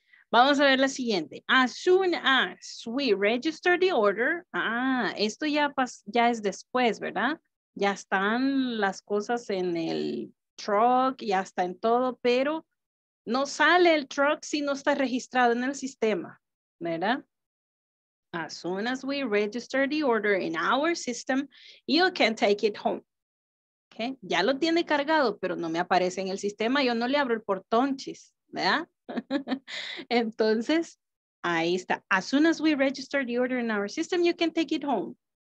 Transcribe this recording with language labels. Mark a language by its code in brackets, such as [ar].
[es] Vamos a ver la siguiente. [en] As soon as we register the order. [es] Ah, esto ya es después, ¿verdad? Ya están las cosas en el truck, ya está en todo, pero no sale el truck si no está registrado en el sistema, ¿verdad? [en] As soon as we register the order in our system, you can take it home. Okay? [es] Ya lo tiene cargado, pero no me aparece en el sistema. Yo no le abro el portón, chis, ¿verdad? Entonces, ahí está. [en] As soon as we register the order in our system, you can take it home.